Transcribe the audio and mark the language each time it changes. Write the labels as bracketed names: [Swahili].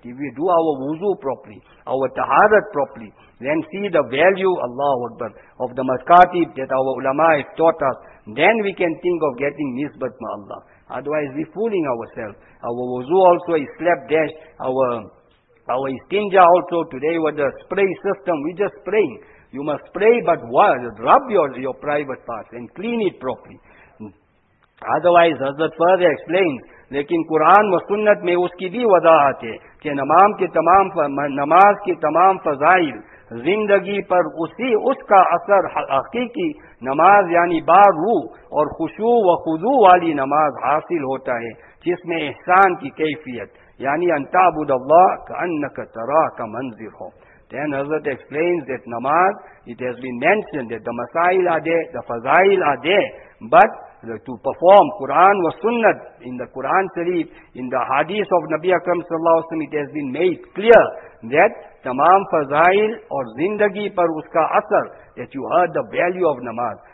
[English] If we do our wuzu properly, our taharat properly, then see the value, Allahu Akbar, of the maskatib that our ulama have taught us, then we can think of getting nisbat ma Allah. Otherwise, we're fooling ourselves. Our wuzu also is slapdash. Our istinja also today with the spray system, we're just spraying. You must spray, but rub your private parts and clean it properly. Otherwise, Hazrat further explains, [Urdu] لیکن قرآن و سنت میں اس کی بھی وضاحت ہے کہ نماز کے تمام فضائل زندگی پر اس کا اثر حقیقی نماز یعنی بارو اور خشوع و خضوع والی نماز حاصل ہوتا ہے جس میں احسان کی کیفیت یعنی ان تعبد اللہ کانک تراہ کا منظر ہو. [English] Then Hazrat explains that نماز, it has been mentioned that the مسائل are there, the فضائل are there, but to perform Quran was sunnah in the Quran Sharif, in the hadith of Nabi Akram sallallahu alaihi wasallam, it has been made clear that [Urdu] tamam fazail or zindagi par uska asar, [English] that you heard the value of namaz.